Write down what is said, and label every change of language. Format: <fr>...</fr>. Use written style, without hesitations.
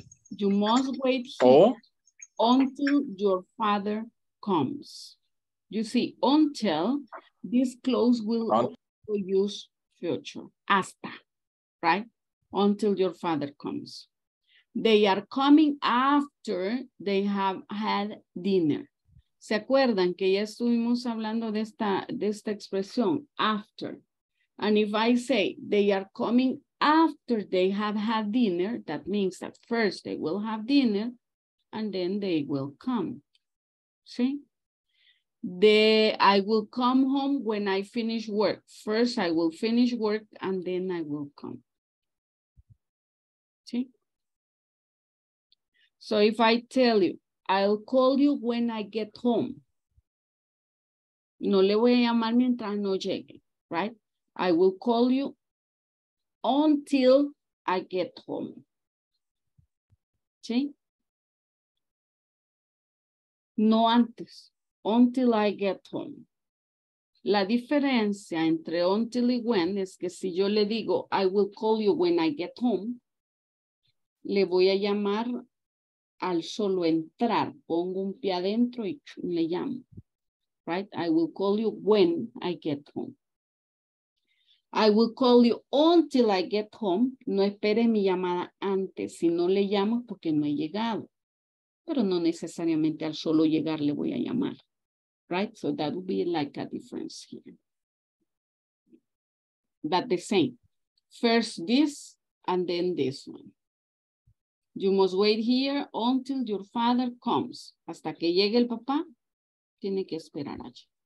<en>You must wait here until your father comes. You see, until, this clause will also use future, hasta, right? Until your father comes. They are coming after they have had dinner.</en> <es>¿Se acuerdan que ya estuvimos hablando de esta expresión?</es> <en>After. And if I say they are coming after they have had dinner, that means that first they will have dinner and then they will come. See? I will come home when I finish work. First I will finish work and then I will come. See? So if I tell you, I'll call you when I get home.</en> <es>No le voy a llamar mientras no llegue, right?</es> <en>I will call you until I get home.</en> <es>¿Sí? No antes,</es> <en>until I get home.</en> <es>La diferencia entre until y when es que si yo le digo,</es> <en>I will call you when I get home,</en> <es>le voy a llamar al solo entrar. Pongo un pie adentro y le llamo. Right?</es> <en>I will call you when I get home. I will call you until I get home.</en> <es>No espere mi llamada antes. Si no le llamo, porque no he llegado. Pero no necesariamente al solo llegar le voy a llamar.</es> <en>Right? So that would be like a difference here. But the same. First this and then this one. You must wait here until your father comes.</en> <es>Hasta que llegue el papá, tiene que esperar allí.</es>